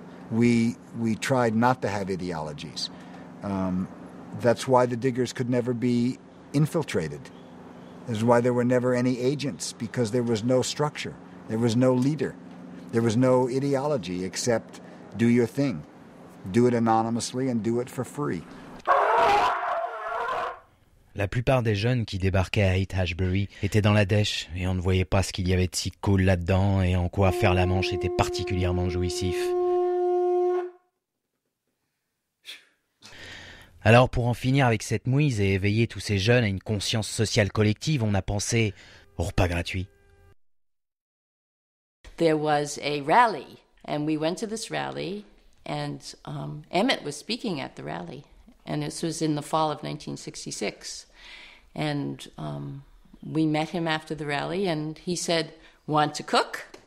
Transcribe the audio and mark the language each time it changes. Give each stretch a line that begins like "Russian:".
English: We tried not to have ideologies. That's why the diggers could never be infiltrated. That's why there were never any agents, because there was no structure. There was no leader. There was no ideology except do your thing. Do it anonymously and do it for free.
French: La plupart des jeunes qui débarquaient à Haight-Ashbury étaient dans la dèche et on ne voyait pas ce qu'il y avait de si cool là-dedans et en quoi faire la manche était particulièrement jouissif. Alors pour en finir avec cette mouise et éveiller tous ces jeunes à une conscience sociale collective, on a pensé au repas gratuit.
English: There was a rally and we went to this rally and Emmett was speaking at the rally. And this was in the fall of 1966. And we met him after the rally, and he said, want to cook?